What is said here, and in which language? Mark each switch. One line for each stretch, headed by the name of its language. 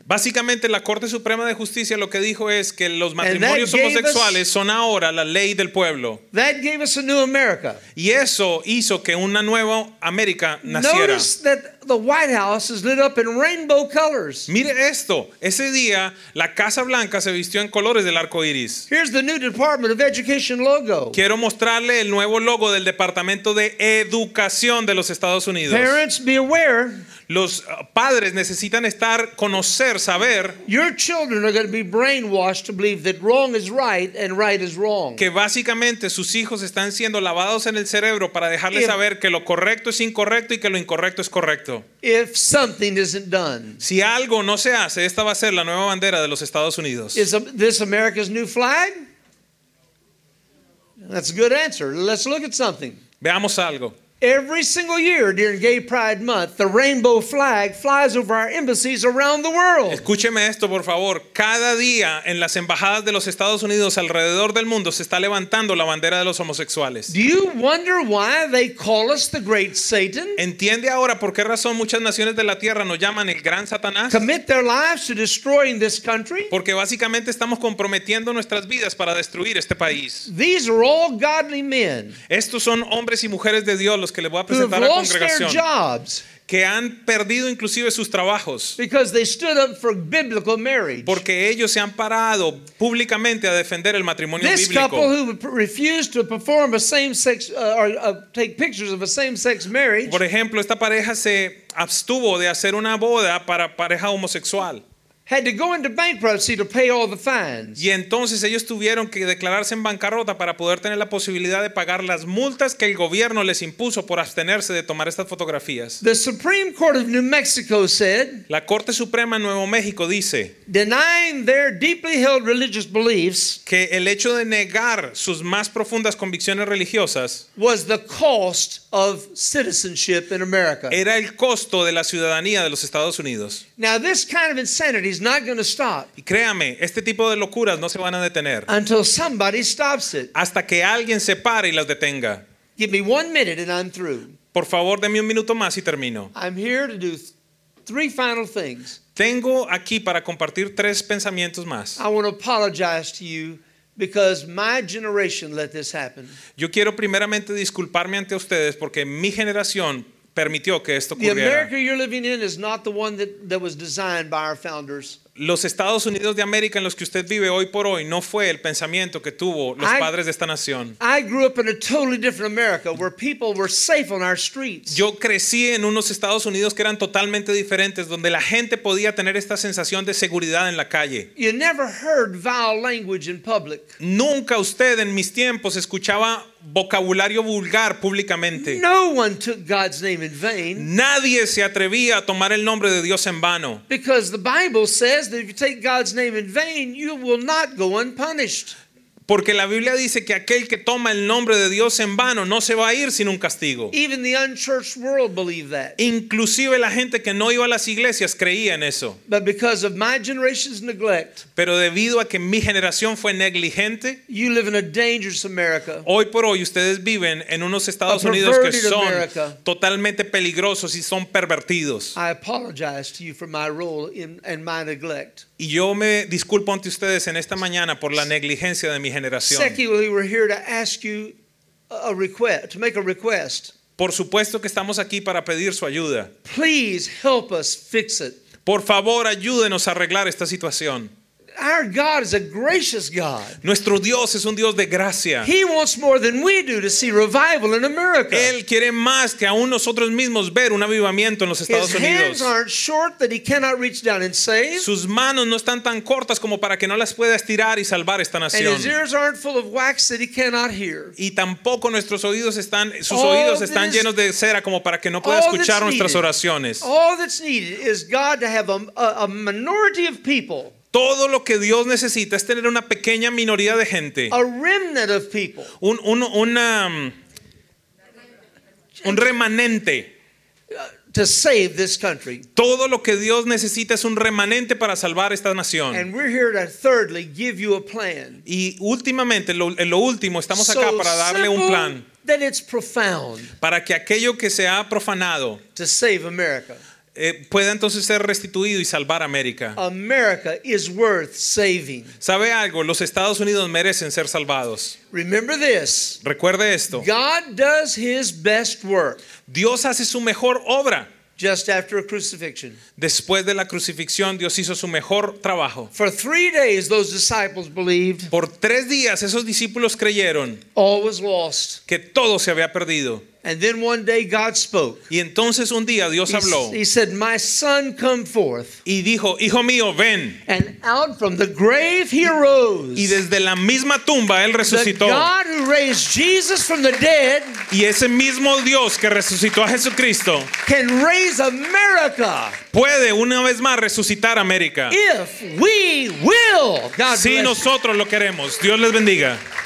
Spanish: Básicamente la Corte Suprema de Justicia lo que dijo es que los matrimonios homosexuales son ahora la ley del pueblo.
English: That gave us a new America.
Spanish: Y eso hizo que una nueva América naciera.
English: Notice that the White House is lit up in rainbow colors.
Spanish: Mire esto, ese día la Casa Blanca se vistió en colores del arco iris.
English: Here's the new Department of Education logo.
Spanish: Quiero mostrarle el nuevo logo del Departamento de Educación de los Estados Unidos.
English: Parents, be aware.
Spanish: Los padres necesitan estar, conocer, saber.
English: Your children are going to be brainwashed to believe that wrong is right and right is wrong.
Spanish: Que básicamente sus hijos están siendo lavados en el cerebro para dejarles saber que lo correcto es incorrecto y que lo incorrecto es correcto.
English: If something isn't done.
Spanish: Si algo no se hace, esta va a ser la nueva bandera de los Estados Unidos.
English: Is this America's new flag? That's a good answer. Let's look at something.
Spanish: Veamos algo.
English: Every single year during Gay Pride Month, the rainbow flag flies over our embassies around the world.
Spanish: Escúcheme esto, por favor. Cada día en las embajadas de los Estados Unidos alrededor del mundo se está levantando la bandera de los homosexuales.
English: Do you wonder why they call us the great Satan?
Spanish: ¿Entiende ahora por qué razón muchas naciones de la Tierra nos llaman el gran Satanás?
English: Commit their lives to destroying this country?
Spanish: Porque básicamente estamos comprometiendo nuestras vidas para destruir este país.
English: These are all godly men.
Spanish: Estos son hombres y mujeres de Dios los que les voy a presentar a la congregación, que han perdido inclusive sus trabajos porque ellos se han parado públicamente a defender el matrimonio bíblico.
English: This couple who refused to perform a same-sex take pictures of a same-sex marriage.
Spanish: Por ejemplo, esta pareja se abstuvo de hacer una boda para pareja homosexual.
English: Had to go into bankruptcy to pay all the fines.
Spanish: Y entonces ellos tuvieron que declararse en bancarrota para poder tener la posibilidad de pagar las multas que el gobierno les impuso por abstenerse de tomar estas fotografías.
English: The Supreme Court of New Mexico said,
Spanish: la Corte Suprema en Nuevo México dice,
English: denying their deeply held religious beliefs,
Spanish: que el hecho de negar sus más profundas convicciones religiosas,
English: was the cost of citizenship in America.
Spanish: Era el costo de la ciudadanía de los Estados Unidos.
English: Now this kind of insanity is not going to stop.
Spanish: Y créame, este tipo de locuras no se van a detener.
English: Until somebody stops it.
Spanish: Hasta que alguien se pare y las detenga.
English: Give me 1 minute and I'm through.
Spanish: Por favor, deme un minuto más y termino.
English: I'm here to do three final things.
Spanish: Tengo aquí para compartir tres pensamientos más.
English: I want to apologize to you because my generation let this happen.
Spanish: Yo quiero primeramente disculparme ante ustedes porque mi generación permitió que esto ocurriera.
English: The America you're living in is not the one that was designed by our founders.
Spanish: Los Estados Unidos de América en los que usted vive hoy por hoy no fue el pensamiento que tuvo los padres de esta nación.
English: I grew up in a totally different America where people were safe on our streets.
Spanish: Yo crecí en unos Estados Unidos que eran totalmente diferentes, donde la gente podía tener esta sensación de seguridad en la calle.
English: You never heard vile language in public.
Spanish: Nunca usted en mis tiempos escuchaba vocabulario vulgar públicamente.
English: No one took God's name in vain.
Spanish: Nadie se atrevía a tomar el nombre de Dios en vano.
English: Because the Bible says that if you take God's name in vain, you will not go unpunished.
Spanish: Porque la Biblia dice que aquel que toma el nombre de Dios en vano no se va a ir sin un castigo.
English: Even the unchurched world believed that.
Spanish: Inclusive la gente que no iba a las iglesias creía en eso.
English: But because of my generation's neglect,
Spanish: pero debido a que mi generación fue negligente,
English: you live in a dangerous America.
Spanish: Hoy por hoy ustedes viven en unos Estados Unidos que son America, totalmente peligrosos y son pervertidos.
English: I apologize to you for my role in my neglect.
Spanish: Y yo me disculpo ante ustedes en esta mañana por la negligencia de mi generación.
English: Secondly, we're here to ask you a request, to make a request.
Spanish: Por supuesto que estamos aquí para pedir su ayuda.
English: Please help us fix it.
Spanish: Por favor, ayúdenos a arreglar esta situación.
English: Our God is a gracious God.
Spanish: Nuestro Dios es un Dios de gracia.
English: He wants more than we do to see revival in America.
Spanish: Él quiere más que aún nosotros mismos ver un avivamiento en los Estados Unidos.
English: His hands aren't short that he cannot reach down and save.
Spanish: Sus manos no están tan cortas como para que no las pueda estirar y salvar esta nación.
English: And his ears aren't full of wax that he cannot hear.
Spanish: Y tampoco nuestros oídos están sus oídos están llenos de cera como para que no pueda escuchar nuestras oraciones.
English: All that's needed is God to have a minority of people.
Spanish: Todo lo que Dios necesita es tener una pequeña minoría de gente.
English: A remnant of people.
Spanish: Un remanente.
English: To save this country.
Spanish: Todo lo que Dios necesita es un remanente para salvar esta nación.
English: And we're here to thirdly give you a plan.
Spanish: Y últimamente, lo último, estamos acá
English: so
Spanish: para darle un plan.
English: That it's profound.
Spanish: Para que aquello que se ha profanado.
English: To save America.
Spanish: Puede entonces ser restituido y salvar América.
English: America is worth saving.
Spanish: ¿Sabe algo? Los Estados Unidos merecen ser salvados.
English: Remember this.
Spanish: Recuerde esto.
English: God does his best work.
Spanish: Dios hace su mejor obra.
English: Just after a crucifixion.
Spanish: Después de la crucifixión, Dios hizo su mejor trabajo.
English: For 3 days, those disciples believed.
Spanish: Por 3 días, esos discípulos creyeron.
English: All was lost.
Spanish: Que todo se había perdido.
English: And then one day God spoke.
Spanish: Y entonces un día Dios habló.
English: He said, "My son, come forth."
Spanish: Y dijo, "Hijo mío, ven."
English: And out from the grave he rose.
Spanish: Y desde la misma tumba él resucitó.
English: The God who raised Jesus from the dead.
Spanish: Y ese mismo Dios que resucitó a Jesucristo.
English: Can raise America.
Spanish: Puede una vez más resucitar América.
English: If we will. God
Spanish: si
English: bless
Spanish: nosotros
English: you.
Spanish: Lo queremos. Dios les bendiga.